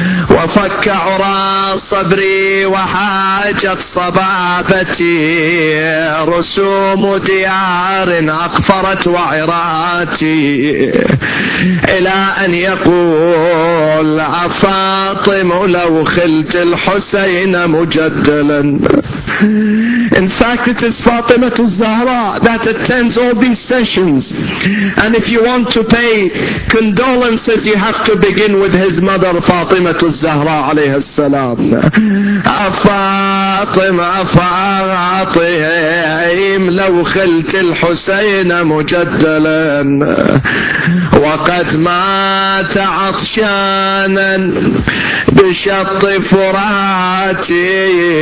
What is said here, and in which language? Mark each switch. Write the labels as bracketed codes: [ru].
[ar] وفك عرى صبري وحاجت صبابتي رسوم ديار أقفرت وعراتي. إلى أن يقول أفاطم لو خلت الحسين مجدلا. [en] In fact, it is Fatima al-Zahra that attends all these sessions. And if you want to pay condolences, you have to begin with his mother, Fatima al-Zahra [ar] عليه السلام. أفاطم أفاطم لو خلت الحسين مجدلا وقد مات عطشانا بشط فراتي.